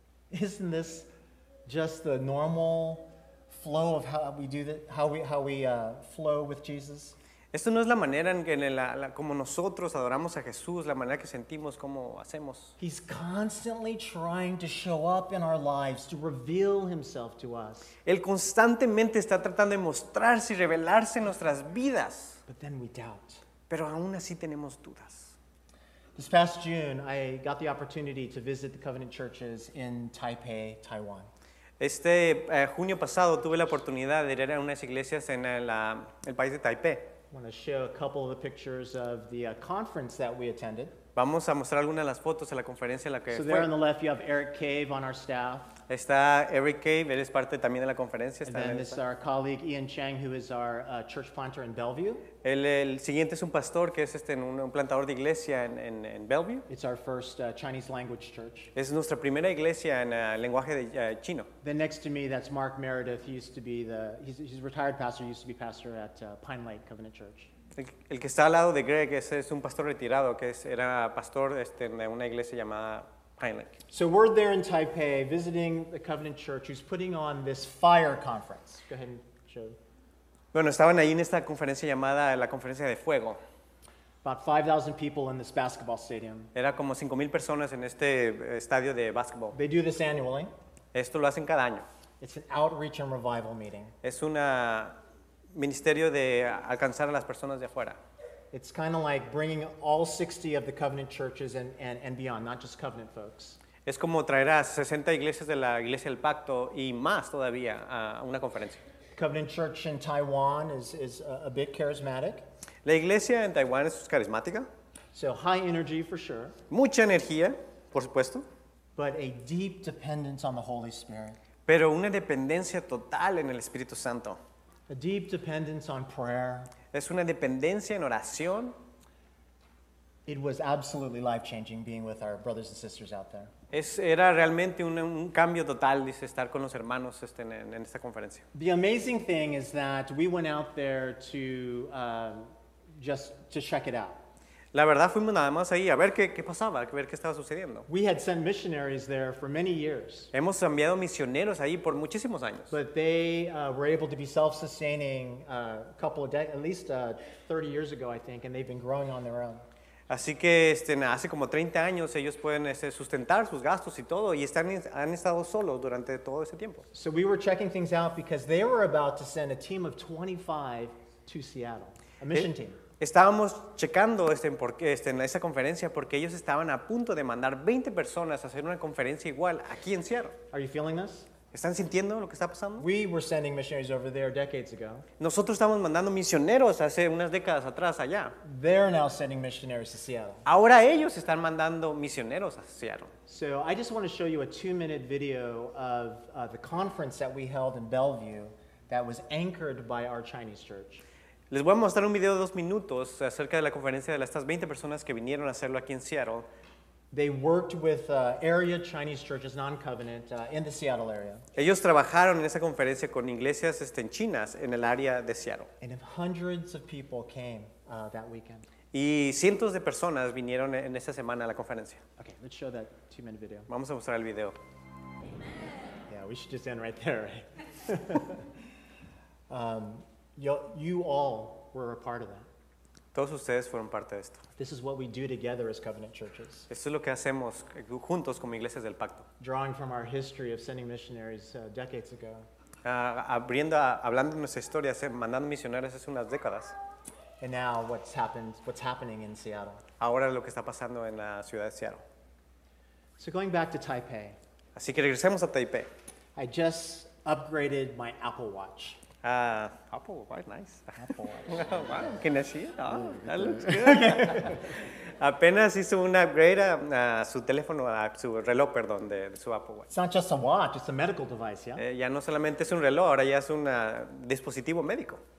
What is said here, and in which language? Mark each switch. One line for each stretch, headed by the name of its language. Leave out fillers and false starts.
English: Isn't this just the normal flow of how we do that, how we flow with Jesus?
Spanish: Esto no es la manera en que como nosotros adoramos a Jesús, la manera que sentimos, cómo hacemos.
English: He's constantly trying to show up in our lives, to reveal himself to us.
Spanish: Él constantemente está tratando de mostrarse y revelarse en nuestras vidas.
English: But then we doubt.
Spanish: Pero aún así tenemos dudas.
English: This past June, I got the opportunity to visit the Covenant Churches in Taipei, Taiwan.
Spanish: Este junio pasado tuve la oportunidad de ir a unas iglesias en el país de Taipei.
English: I want to show a couple of the pictures of the conference that we attended.
Spanish: Vamos a mostrar algunas de las fotos de la conferencia en la que
English: fue. So there on the left you have Eric Cave on our staff.
Spanish: Está Eric Cave, él es parte también de la conferencia.
English: And then this is our colleague Ian Chang, who is our church planter in Bellevue.
Spanish: El siguiente es un pastor que es un plantador de iglesia en Bellevue.
English: It's our first Chinese language church.
Spanish: Es nuestra primera iglesia en lenguaje de chino.
English: Then next to me, that's Mark Meredith. He's a retired pastor. He used to be pastor at Pine Lake Covenant Church.
Spanish: El que está al lado de Greg es un pastor retirado que era pastor de una iglesia llamada Pine Lake.
English: So we're there in Taipei visiting the Covenant Church, who's putting on this fire conference. Go ahead and show.
Spanish: Bueno, estaban ahí en esta conferencia llamada la Conferencia de Fuego.
English: About 5,000 people in this basketball stadium.
Spanish: Era como 5,000 personas en este estadio de basketball.
English: They do this annually.
Spanish: Esto lo hacen cada año.
English: It's an outreach and revival meeting.
Spanish: Es una ministerio de alcanzar a las personas de afuera.
English: It's kind of like bringing all 60 of the Covenant Churches and beyond, not just Covenant folks.
Spanish: Es como traer a 60 iglesias de la Iglesia del Pacto y más todavía a una conferencia.
English: Covenant Church in Taiwan is a bit charismatic.
Spanish: La iglesia en Taiwán es carismática.
English: So high energy for sure.
Spanish: Mucha energía, por supuesto.
English: But a deep dependence on the Holy Spirit.
Spanish: Pero una dependencia total en el Espíritu Santo.
English: A deep dependence on prayer.
Spanish: Es una dependencia en oración.
English: It was absolutely life-changing being with our brothers and sisters out there.
Spanish: Era realmente un cambio total, dice, estar con los hermanos en esta conferencia.
English: The amazing thing is that we went out there to just to check it out.
Spanish: La verdad, fuimos nada más ahí a ver qué pasaba, a ver qué estaba sucediendo.
English: We had sent missionaries there for many years.
Spanish: Hemos enviado misioneros ahí por muchísimos años.
English: But they were able to be self-sustaining a couple of decades, at least 30 years ago, I think, and they've been growing on their own.
Spanish: Así que hace como 30 años ellos pueden sustentar sus gastos y todo y han estado solos durante todo ese tiempo.
English: So we were checking things out because they were about to send a team of 25 to Seattle, a mission team.
Spanish: Estábamos checando en esa conferencia porque ellos estaban a punto de mandar 20 personas a hacer una conferencia igual aquí en Seattle.
English: Are you feeling this?
Spanish: ¿Están sintiendo lo que está pasando?
English: We were sending missionaries over there decades ago.
Spanish: Nosotros estamos mandando misioneros hace unas décadas atrás allá.
English: They're now sending missionaries to Seattle.
Spanish: Ahora ellos están mandando misioneros a Seattle.
English: So I just want to show you a 2-minute video of the conference that we held in Bellevue that was anchored by our Chinese church.
Spanish: Les voy a mostrar un video de 2 minutos acerca de la conferencia de estas 20 personas que vinieron a hacerlo aquí en Seattle.
English: They worked with area Chinese churches, non-covenant, in the Seattle area.
Spanish: Ellos trabajaron en esa conferencia con iglesias chinas en el área de Seattle.
English: And hundreds of people came that weekend.
Spanish: Y cientos de personas vinieron en esta semana a la conferencia.
English: Okay, let's show that 2 minute video.
Spanish: Vamos a mostrar el video.
English: Yeah, we should just end right there, right? you all were a part of that.
Spanish: Todos ustedes fueron parte de esto.
English: This is what we do together as covenant churches.
Spanish: Esto es lo que hacemos juntos como iglesias del pacto.
English: Drawing from our history of sending missionaries decades ago.
Spanish: Hablando de nuestra historia, mandando misioneros hace unas décadas.
English: And now what's happening in Seattle.
Spanish: Ahora lo que está pasando en la ciudad de Seattle.
English: So going back to Taipei.
Spanish: Así que regresemos a Taipei.
English: I just upgraded my Apple Watch. Apple Watch, nice. Apple Watch. Wow, can I see it? Oh, that looks good.
Spanish: Apenas hizo un upgrade a su teléfono, a su reloj, perdón, de su Apple Watch.
English: It's not just a watch, it's a medical device, yeah?
Spanish: Ya no solamente es un reloj, ahora ya es un dispositivo médico.